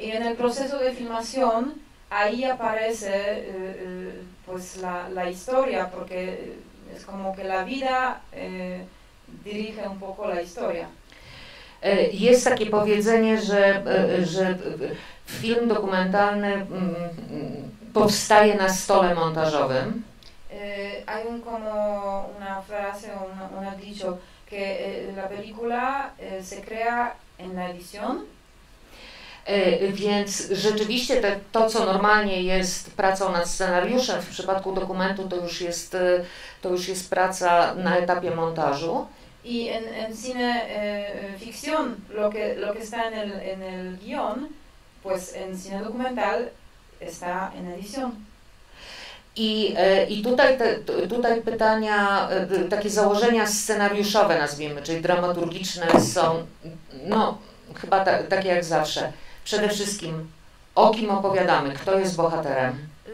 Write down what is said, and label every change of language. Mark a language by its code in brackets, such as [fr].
[es] I en el proceso de filmación, ahí aparece pues la historia, porque es como que la vida dirige un poco la historia. [pl] Jest takie powiedzenie, że film dokumentalny powstaje na stole montażowym. [es] Hay un como una frase, un dicho, que la película se crea en la edición. [pl] Więc rzeczywiście to, co normalnie jest pracą nad scenariuszem, w przypadku dokumentu to już jest praca na etapie montażu. [es] Y en cine ficción, lo que está en el guión, pues en cine documental está en edición. [pl] I tutaj, tutaj pytania, takie założenia scenariuszowe, nazwijmy, czyli dramaturgiczne, są no, chyba takie jak zawsze. Przede wszystkim, o kim opowiadamy, kto jest bohaterem?